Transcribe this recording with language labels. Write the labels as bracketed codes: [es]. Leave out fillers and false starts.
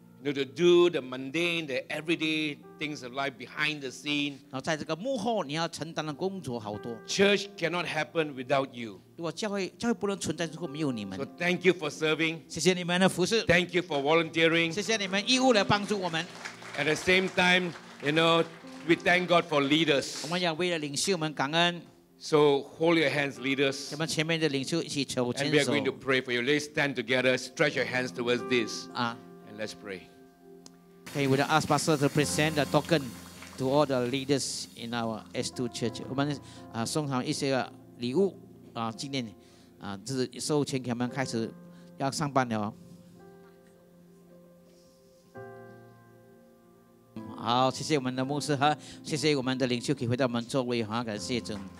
[en] You know, to do the mundane, the everyday things of life behind the scene. [zh] 然后在这个幕后，你要承担的工作好多。 [en] Church cannot happen without you. [zh] 如果教会不能存在，如果没有你们。 [en] So thank you for serving. [zh] 谢谢你们的服事。 [en] Thank you for volunteering. [zh] 谢谢你们义务来帮助我们。 [en] At the same time, you know, we thank God for leaders. [zh] 我们要为了领袖们感恩。 [en] So hold your hands, leaders. [zh] 我们前面的领袖一起牵手。 [en] And we are going to pray for you. Let's stand together, stretch your hands towards this. Let's pray. Okay, we'll ask Pastor to present the token to all the leaders in our S2 church. [zh] 我们送上一些礼物纪念这是授权给我们开始要上班了。好，谢谢我们的牧师和谢谢我们的领袖可以回到我们座位，好，感谢主。